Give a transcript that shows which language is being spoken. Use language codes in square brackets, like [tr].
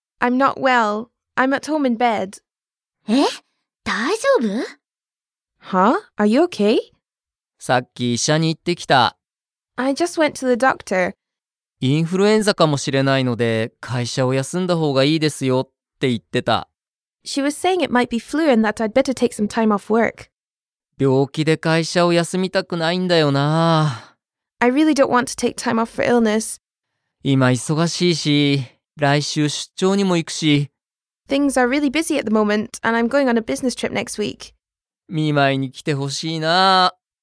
[en] I'm not well. I'm at home in bed. [ja] え?大丈夫? [en] Huh? Are you okay? [ja] さっき医者に行ってきた。 [en] I just went to the doctor. [ja] インフルエンザかもしれないので、会社を休んだ方がいいですよって言ってた。 [en] She was saying it might be flu and that I'd better take some time off work. [ja] 病気で会社を休みたくないんだよな。 [en] I really don't want to take time off for illness. [ja] 今忙しいし、来週出張にも行くし。 [en] Things are really busy at the moment, and I'm going on a business trip next week. [ja] 見舞いに来てほしいな。